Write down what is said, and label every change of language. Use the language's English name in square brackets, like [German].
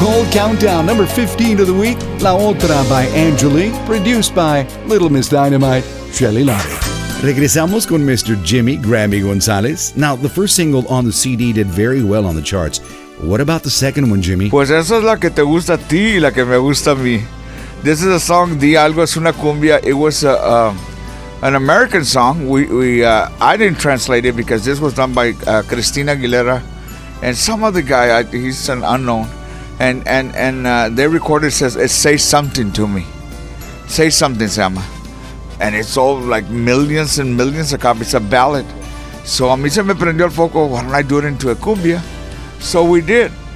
[English] Countdown number 15 of the week, La Otra by Angelique, produced by Little Miss Dynamite, Shelly Lari. [Spanish] Regresamos con [English] Mr. Jimmy Grammy Gonzalez. Now, the first single on the CD did very well on the charts. What about the second one, Jimmy? [Spanish] Pues esa es la que te gusta a ti y la que me gusta a mí. [English] This is a song, Di Algo, [Spanish] es una cumbia. [English] It was an American song. I didn't translate it because this was done by Christina Aguilera and some other guy. He's an unknown. And they recorded says it says something to me, say something, Sama, and it sold like millions and millions of copies. It's a ballad, so [Spanish] a mí se me prendió el foco. [English] Why don't I do it into a cumbia? So we did.